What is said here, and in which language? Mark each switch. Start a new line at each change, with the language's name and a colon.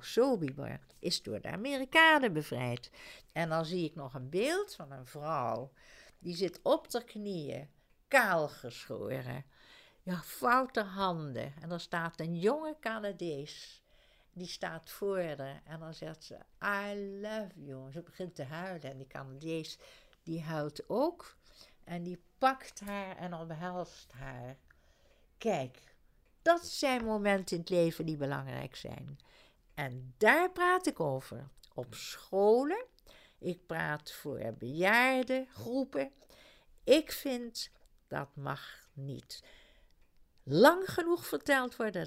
Dutch: Sobibor is door de Amerikanen bevrijd. En dan zie ik nog een beeld van een vrouw. Die zit op haar knieën, kaal geschoren. Ja, foute handen. En dan staat een jonge Canadees. Die staat voor haar. En dan zegt ze,
English: I love you.
Dutch: Ze begint te huilen. En die Canadees, die huilt ook. En die pakt haar en omhelst haar. Kijk. Dat zijn momenten in het leven die belangrijk zijn. En daar praat ik over. Op scholen. Ik praat voor bejaarde groepen. Ik vind dat mag niet lang genoeg verteld worden.